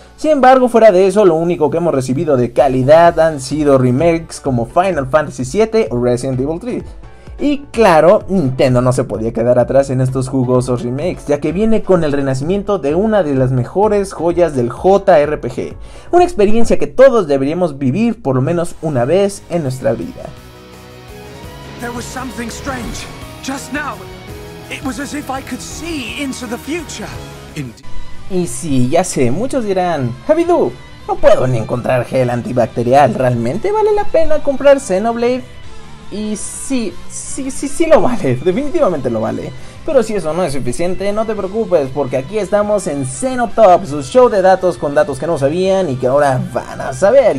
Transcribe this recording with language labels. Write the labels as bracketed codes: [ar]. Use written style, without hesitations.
[es] Sin embargo, fuera de eso, lo único que hemos recibido de calidad han sido remakes como Final Fantasy VII o Resident Evil 3. Y claro, Nintendo no se podía quedar atrás en estos jugosos remakes, ya que viene con el renacimiento de una de las mejores joyas del JRPG, una experiencia que todos deberíamos vivir por lo menos una vez en nuestra vida. [en] There was something strange just now. It was as if I could see into the future. [es] Y sí, ya sé, muchos dirán, Javidú, no puedo ni encontrar gel antibacterial, ¿realmente vale la pena comprar Xenoblade? Y sí lo vale, definitivamente lo vale. Pero si eso no es suficiente, no te preocupes, porque aquí estamos en Xenotop, su show de datos con datos que no sabían y que ahora van a saber.